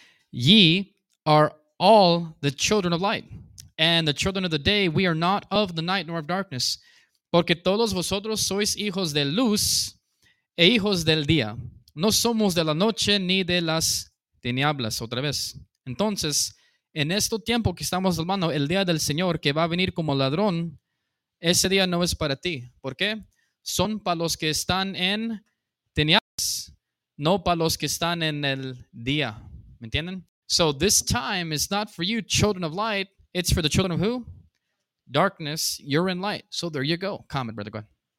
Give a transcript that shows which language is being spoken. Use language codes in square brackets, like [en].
[en] Ye are all the children of light, and the children of the day. We are not of the night nor of darkness. [es] Porque todos vosotros sois hijos de luz e hijos del día. No somos de la noche ni de las tinieblas. Otra vez. Entonces, en este tiempo que estamos hablando, el día del Señor que va a venir como ladrón, ese día no es para ti. ¿Por qué? Son para los que están en tinieblas, no para los que están en el día. ¿Me entienden? [en] So this time is not for you, children of light. It's for the children of who? Darkness. You're in light. So there you go. Comment, brother. Go ahead.